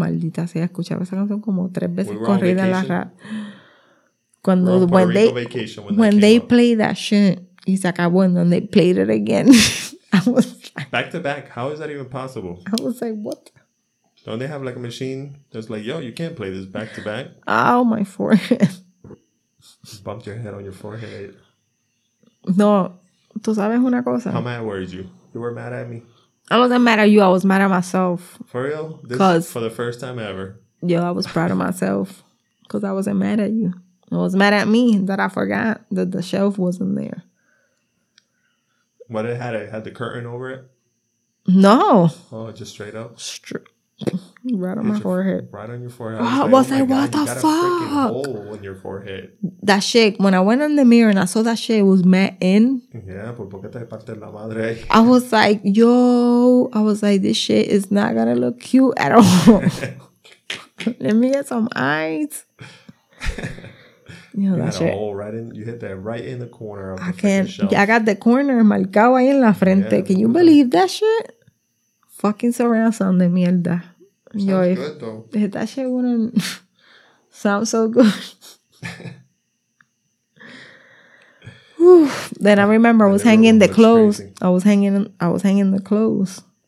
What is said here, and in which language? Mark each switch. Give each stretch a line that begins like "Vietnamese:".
Spanish: Maldita sea, escuchaba esa canción como tres veces corrida en la radio. Cuando
English: when they play that shit,
Spanish: y se acabó
English: and then they played it again. I was like, back to back, how is that even possible? I was like, what? Don't they have like a machine that's like, yo, you can't play this back to back? Oh, my forehead. Just bumped your head on your forehead.
Spanish: No, tú sabes una cosa.
English: How mad were you? You were mad at me? I wasn't mad at you, I was mad at myself. For real? This for the first time ever. Yo, I was proud of myself because I wasn't mad at you. It was mad at me that I forgot that the shelf wasn't there. What, it had the curtain over it? No. Oh, just straight up? Right on my forehead. Right on your forehead. I was like, what the fuck? You got a freaking hole in your forehead. That shit, when I went in the mirror and I saw that shit, it was mad in. Yeah,
Spanish: ¿por qué te parte la madre?
English: I was like, this shit is not going to look cute at all. Let me get some eyes. You know, that hole right in, you hit that right in the corner of the freaking shelf. I got the corner
Spanish: marcado ahí en la frente.
English: Yeah, can you believe that shit? Fucking surround sound
Spanish: de mierda.
English: Sounds good, though. That shit wouldn't sound so good. Then I remember I was hanging the clothes. Crazy. I was hanging the clothes.